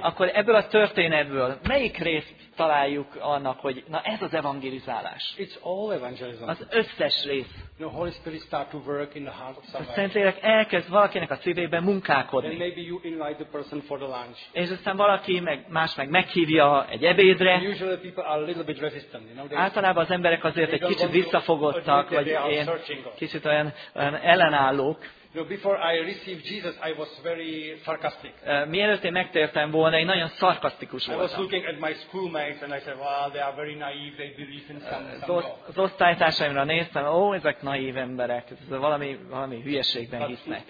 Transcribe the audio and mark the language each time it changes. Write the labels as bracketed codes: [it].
[hu] Akkor ebből a történetből melyik részt találjuk annak, hogy na ez az evangelizálás? [en] It's all evangelism. [hu] Az összes rész. [en] You know, Holy Spirit start to work in the heart of somebody. [hu] A Szentlélek elkezd valakinek a szívében munkálkodni. [en] And maybe you invite the person for the lunch. [hu] És aztán valaki más meg meghívja egy ebédre. [en] And usually people are a little bit resistant, you know. [hu] Általában az emberek azért egy kicsit visszafogottak, vagy ilyen kicsit olyan ellenállók. [en] before I received Jesus, I was very sarcastic. [hu] Mielőtt én megtértem volna, én nagyon szarkasztikus voltam. [en] I was looking at my schoolmates and I said, "Wow, they are very naive. They believe in some God." [hu] Az osztálytársaimra néztem, ezek naív emberek, ez valami hülyeségben hisznek.